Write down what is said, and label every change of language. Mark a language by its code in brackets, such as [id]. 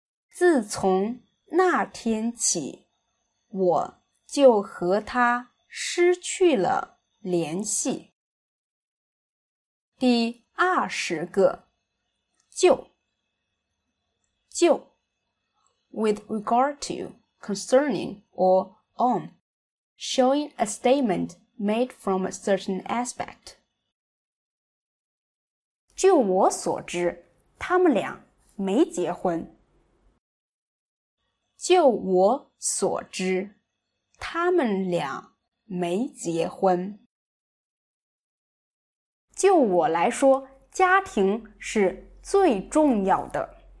[zh] 自从那天起，我就和他失去了联系。第二十个，就，就 ， [en] with regard to。 Concerning or on, showing a statement made from a certain aspect. [zh] 据我所知，他们俩没结婚。就我所知，他们俩没结婚。就我来说，家庭是最重要的。